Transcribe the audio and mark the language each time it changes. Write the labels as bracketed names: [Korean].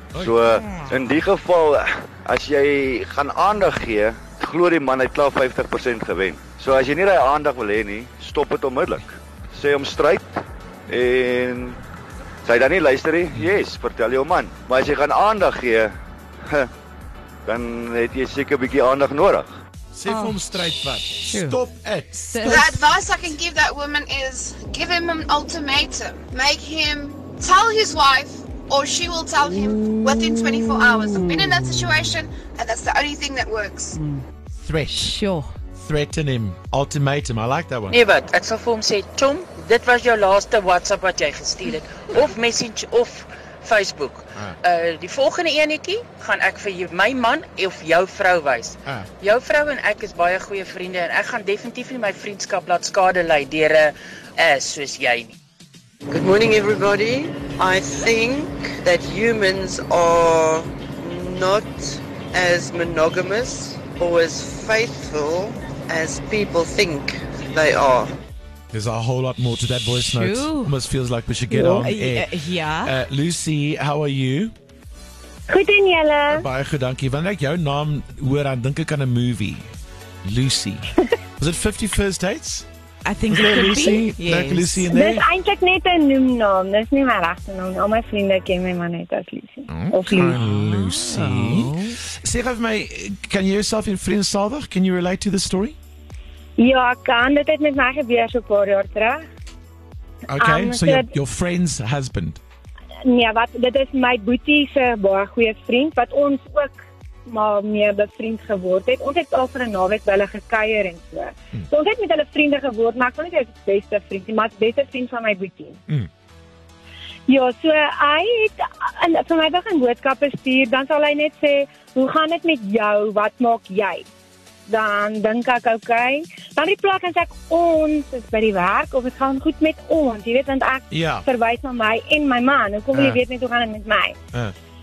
[Afrikaans] So in die geval as jy gaan aandag gee, glo die man hy het klaar 50% gewen. So as jy nie daai aandag wil hê nie, stop dit onmiddellik. Sê hom stryd. En sy dan nie luister nie, yes, vertel jou man. Maar as jy gaan aandag gee, dan het jy seker 'n bietjie aandag nodig. Sê vir hom stryd wat. [English] Stop it. The advice I can give that woman is, give him an ultimatum. Make him tell his wife, or she will tell him within 24 hours. I've been in that situation, and that's the only thing that works. Threat. Sure. Threaten him. Ultimatum. I like that one. [Afrikaans] Nee, wat? Ek sal vir hom sê, Tom, dit was jou laaste WhatsApp wat jy gestuur het. Of message, of Facebook. Die volgende enetjie gaan ek vir my man of jou vrou wys. Jou vrou en ek is baie goeie vriende en ek gaan definitief nie my vriendskap laat skade lei deur 'n soos jy nie. [English] Good morning everybody. I think that humans are not as monogamous or as faithful as people think they are. There's a whole lot more to that voice note. Almost feels like we should get on air. Lucy, how are you? [Afrikaans] Goed en julle. Baie goed, dankie. Wanneer ek jou naam hoor, dan dink ek aan 'n movie. [English] Lucy. Was it 50 First Dates? I think it could Lucy? Be. Yes. Lucy in there? [Afrikaans] Dis eintlik net 'n noemnaam. Dis nie my regte naam. Al my vriende ken my man net as Lucy. Lucy. Sê vir my, [English] can you yourself in [Afrikaans] Vriendsalwig? [English] Can you relate to the story? [Afrikaans] Ja, kan. Dit het met my gebeur so 'n paar jaar terug. [English] Okay, so your friend's husband. [Afrikaans] Nee, wat, dit is my boetie se baie goeie vriend, wat ons ook maar meer bevriend geword het. Ons het al vir 'n naweek by hulle gekuier en so. So ons het met hulle vriende geword, maar ek wil nie sê beste vriend nie, maar beste vriend van my boetie. Ja, so hy het vir my begin boodskappe stuur, dan sal hy net sê, hoe gaan dit met jou, wat maak jy? Dan dink ek, okay. Dan reply en sê ek, ons is by die werk, of het gaan goed met ons, jy weet, want ek verwys na my en my man, hoe kom jy weet net, hoe gaan dit met my?